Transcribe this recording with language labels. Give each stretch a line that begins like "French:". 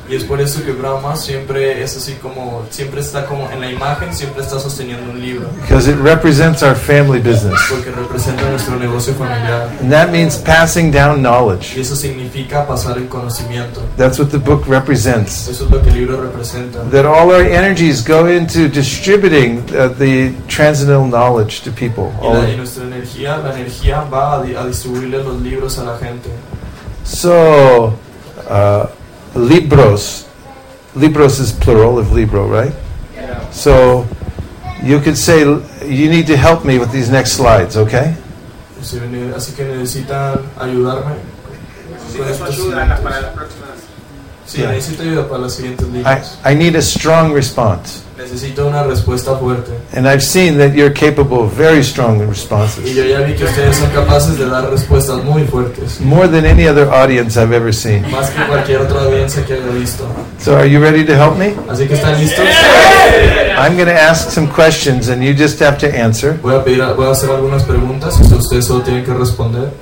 Spanish: Y es por eso que Brahma siempre es así como, siempre está como en la imagen, siempre está sosteniendo un libro.
English: Because it represents our family business.
Spanish: Porque representa nuestro negocio familiar.
English: And that means passing down knowledge.
Spanish: Y eso significa pasar el conocimiento.
English: That's what the book represents.
Spanish: Eso es lo que el libro representa.
English: That all our energies go into distributing the transcendental knowledge to people.
Spanish: Y nuestra energía, la energía va a distribuirle los libros a la gente.
English: So, libros. Libros is plural of libro, right? Yeah. So, you could say, you need to help me with these next slides, okay?
Spanish: Así que necesitan ayudarme. Necesito ayuda para las siguientes líneas.
English: I need a strong response.
Spanish: Necesito una respuesta fuerte.
English: And I've seen that you're capable of very strong responses.
Spanish: Y yo ya vi que ustedes son capaces de dar respuestas muy fuertes.
English: More than any other audience I've ever seen.
Spanish: Más que cualquier otra audiencia que haya visto.
English: So are you ready to help me?
Spanish: Así que están listos.
English: I'm going to ask some questions and you just have to answer.
Spanish: Voy a hacer algunas preguntas y ustedes solo tienen que responder.